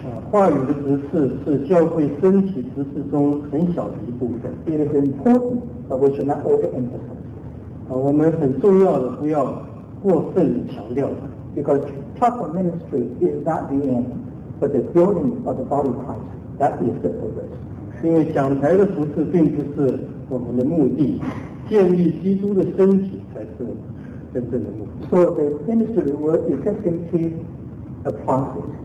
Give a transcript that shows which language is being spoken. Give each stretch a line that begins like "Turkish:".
Chinese: 话语的执事是教会身体执事中很小的一部分。
English: It is important, but we should not overemphasize.
Chinese: 我们很重要的不要过分强调。
English: Because proper ministry is not the end, but the building of the body of Christ. That is the progress.
Chinese: 因为讲台的执事并不是我们的目的，建立基督的身体才是真正的目的。
English: So the ministry work is simply a process.